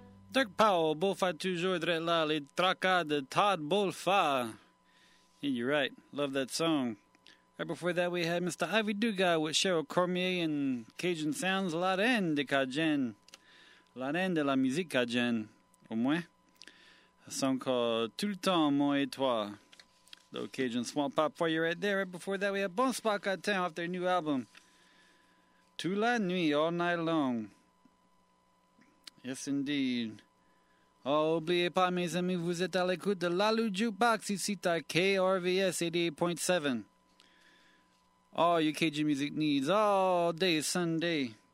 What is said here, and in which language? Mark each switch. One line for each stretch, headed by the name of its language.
English: Dirk Powell, Bofa Toujours Dret La, Le Traca de Todd Bolfa. Yeah, you're right. Love that song. Right before that, we had Mr. Ivy Duga with Cheryl Cormier and Cajun Sounds, La Reine de Cajun.
French: La Reine de la Musique Cajun. Au moins.
English: A song called Tout le temps, moi et toi. Little Cajun Swamp Pop for you right there. Right before that, we had Bon Spot Catin off their new album.
French: Tout la nuit,
English: all night long. Yes, indeed.
French: Oh, oubliez pas, mes amis, vous êtes à l'écoute de Lalu Jukebox, ici ta KRVS 88.7.
English: All your Cajun music needs all day Sunday.